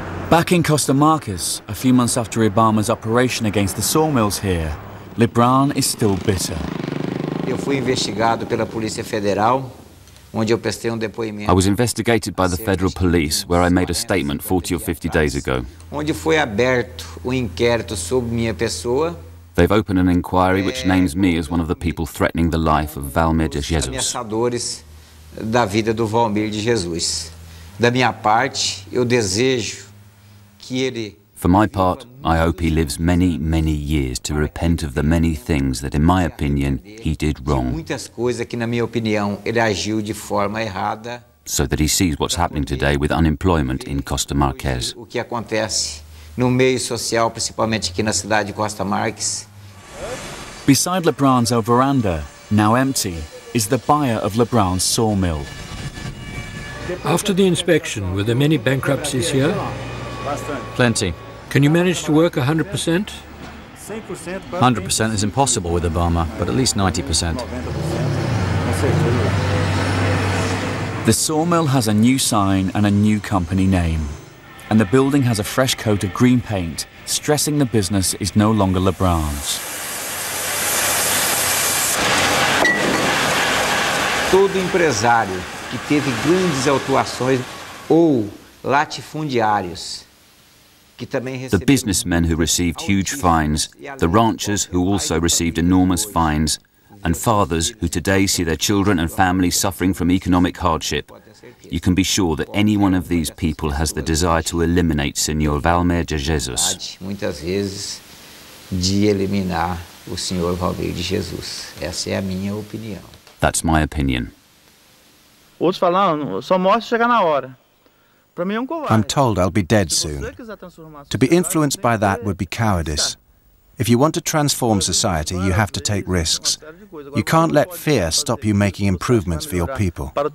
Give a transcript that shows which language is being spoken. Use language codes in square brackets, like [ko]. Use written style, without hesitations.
[en] Back in Costa Marques, a few months after Ibama's operation against the sawmills here, Libran is still bitter. [pt] Eu fui investigado pela Polícia Federal, onde eu prestei depoimento. [en] I was investigated by the Federal Police, where I made a statement 40 or 50 days ago. [pt] Onde foi aberto o inquérito sobre minha pessoa. [en] They've opened an inquiry which names me as one of the people threatening the life of Valmir de Jesus. [pt] Ameaçadores da vida do Valmir de Jesus. Da minha parte, eu desejo. [en] For my part, I hope he lives many, many years to repent of the many things that, in my opinion, he did wrong. So that he sees what's happening today with unemployment in Costa Marques. [pt] O que acontece no meio social, principalmente aqui na cidade de Costa Marques. [en] Beside Lebrun's veranda, now empty, is the buyer of Lebrun's sawmill. After the inspection, were there many bankruptcies here? Plenty. Can you manage to work 100%? 100% is impossible with Obama, but at least 90%. The sawmill has a new sign and a new company name. And the building has a fresh coat of green paint, stressing the business is no longer Lebrun's. [pt] Todo empresário que teve grandes autuações ou latifundiários. [en] The businessmen who received huge fines, the ranchers who also received enormous fines, and fathers who today see their children and families suffering from economic hardship. You can be sure that any one of these people has the desire to eliminate Senhor Valmer de Jesus. [pt] Muitas vezes de eliminar o Senhor Valmer de Jesus. Essa é a minha opinião. [en] That's my opinion. [pt] Outros falando, só morre se chegar na hora. [en] I'm told I'll be dead soon. To be influenced by that would be cowardice. If you want to transform society, you have to take risks. You can't let fear stop you making improvements for your people.